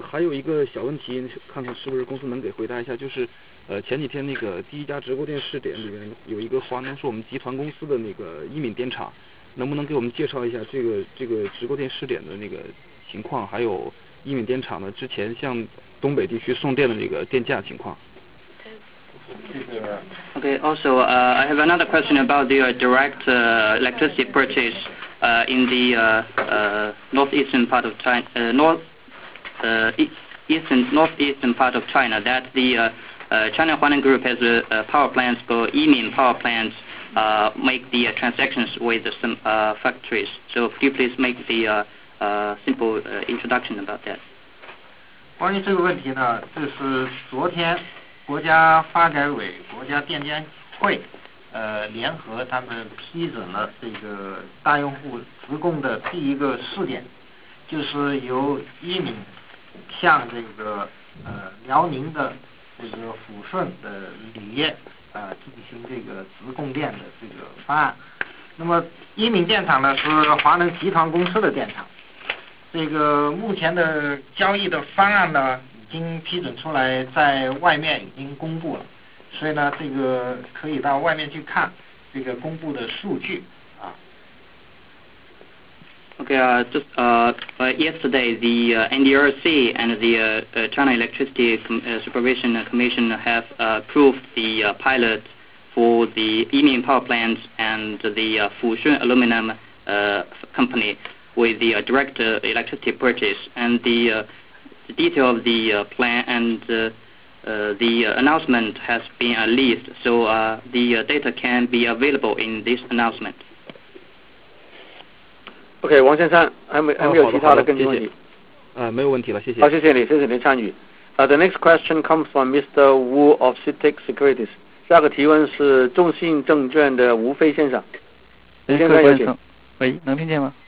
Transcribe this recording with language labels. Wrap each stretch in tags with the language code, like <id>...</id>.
<zh>还有一个小问题，看看是不是公司能给回答一下，就是前几天那个第一家直播电视点里面有一个华能是我们集团公司的那个一敏电厂。能不能给我们介绍一下这个直播电视点的那个情况，还有一敏电厂的之前向东北地区送电的那个电价情况？</zh> <en>OK, also I have another question about the direct electricity purchase in the northeastern part of China, northeastern part of China, that the China Huaneng Group has a power plants called Yimin power plants. Make the transactions with the, some factories. So could you please make the simple introduction about that?</en> <zh>关于这个问题呢，这是昨天国家发改委、国家电监会联合他们批准了这个大用户直供的第一个试点，就是由一敏向这个辽宁的这个抚顺的铝业进行这个直供电的这个方案。那么一敏电厂呢是华能集团公司的电厂，这个目前的交易的方案呢已经批准出来，在外面已经公布了，所以呢这个可以到外面去看这个公布的数据啊。</zh> <en>OK, yesterday the NDRC and the China Electricity Supervision Commission have approved the pilot for the Yimin power plants and the Fushun Aluminum Company with the direct electricity purchase. And the detail of the plan and the announcement has been released, so the data can be available in this announcement.</en> <zh>OK, 王先生，还没有其他的跟进问题？没有问题了，谢谢。好，谢谢你，谢谢您参与。</zh> <en>The next question comes from Mr. Wu of CITIC Securities.</en> <zh>下个提问是中信证券的吴飞先生。哎，各位管理层，喂，能听见吗？</zh>